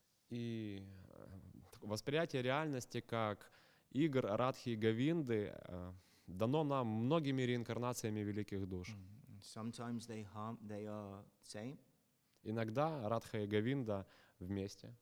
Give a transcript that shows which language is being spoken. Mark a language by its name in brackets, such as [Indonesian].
[Russian] И восприятие реальности как игр Радхи и Говинды дано нам многими реинкарнациями великих душ. [English] Sometimes they are same. [Russian] Иногда Радха и Говинда вместе.